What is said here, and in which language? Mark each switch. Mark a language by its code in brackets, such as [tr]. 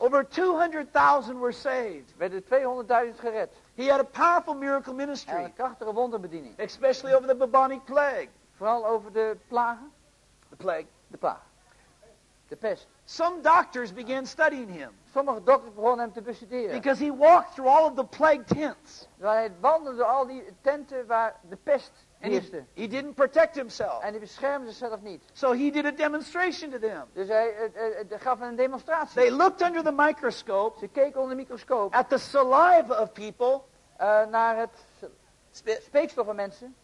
[en] Over 200,000 were saved. [nl] Werden 200,000 gered. [en] He had a powerful miracle ministry. [nl] Een krachtige wonderbediening. [en] Especially over the bubonic plague. [nl] Vooral over de plagen. [en] The plague. [nl] De plaag. De pest. [en] Some doctors began studying him. [nl] Sommige dokters begonnen hem te bestuderen. [en] Because he walked through all of the plague tents. [nl] Want hij wandelde door al die tenten waar de pest heerste. [en] He didn't protect himself. [nl] En hij beschermde zichzelf niet. [en] So he did a demonstration to them. [nl] Dus hij gaf een demonstratie. [en] They looked under the microscope. [nl] Ze keken onder de microscoop. [en] At the saliva of people. [nl] Naar het speekstof van mensen.